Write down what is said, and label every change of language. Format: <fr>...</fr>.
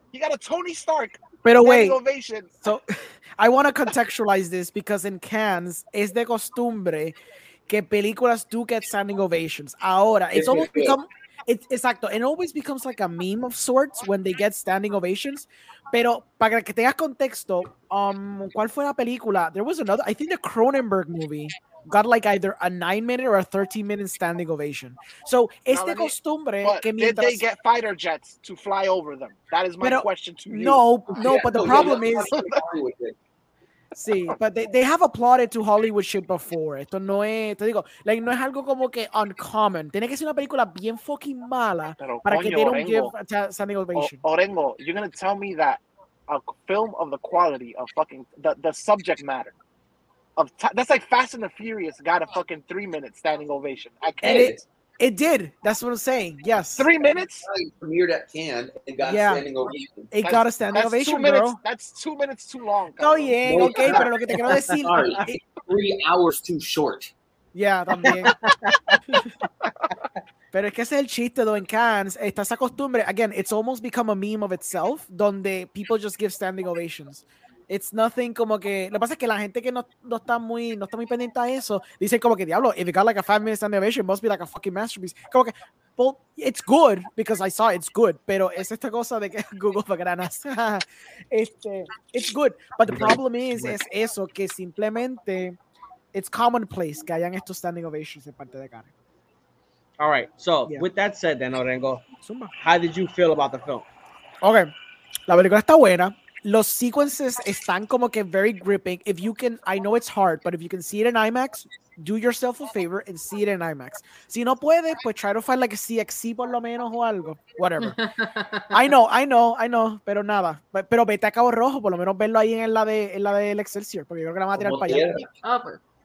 <en>He got a Tony Stark. But wait, ovation. So I want to contextualize this because in Cannes, es de costumbre que películas do get standing ovations. Ahora, it's almost become... It's exacto. It always becomes like a meme of sorts when they get standing ovations.</en> <es>Pero para que tengas contexto, ¿cuál fue la película?</es> <en>There was another, I think the Cronenberg movie got like either a 9-minute or a 13-minute standing ovation.</en> <es>So, es de costumbre que mientras...</es> <en>Did they get fighter jets to fly over them? That is my question to you. No, no, yeah, but the problem is... See, but they have applauded to Hollywood shit before.</en> <es>Esto no es, te digo, like, no es algo como que uncommon. Tiene que ser una película bien fucking mala pero, para coño,</es> <en>que they don't Orengo, give a standing ovation. Orengo, you're going to tell me that a film of the quality of fucking, the subject matter, of that's like Fast and the Furious got a fucking 3-minute standing ovation. I can't. It did. That's what I'm saying. Yes. 3 minutes? Premiered at Cannes and got a standing ovation. It got a standing ovation, two minutes, bro. That's 2 minutes too long. Oh, yeah.</en> <es>No, okay, pero lo que te quiero decir...</es> <en>Sorry, 3 hours too short.</en> <es>Yeah, también. Pero es que ese es el chiste, though, en Cannes. Estás acostumbrado.</es> <en>Again, it's almost become a meme of itself, donde people just give standing ovations.</en> <es>It's nothing como que... Lo que pasa es que la gente que no está muy pendiente a eso, dice como que, diablo, if it got like a 5-minute standing ovation, it must be like a fucking masterpiece.</es> <en>Como que, well, it's good, because I saw it, it's good.</en> <es>Pero es esta cosa de que Google va granas.</es> <en>It's good. But the problem is eso, que simplemente it's commonplace que hayan estos standing ovations en parte de cara. All right. So, yeah. With that said, then, Orengo, Zumba. How did you feel about the film?</en> <es>Okay. La película está buena. Los sequences están como que very gripping.</es> <en>If you can, I know it's hard, but if you can see it in IMAX, do yourself a favor and see it in IMAX.</en> <es>Si no puede, pues try to find like a CXC por lo menos o algo. Whatever. I know, pero nada. Pero vete a Cabo Rojo, por lo menos verlo ahí en la de El Excelsior, porque yo creo que la van a tirar para allá.</es>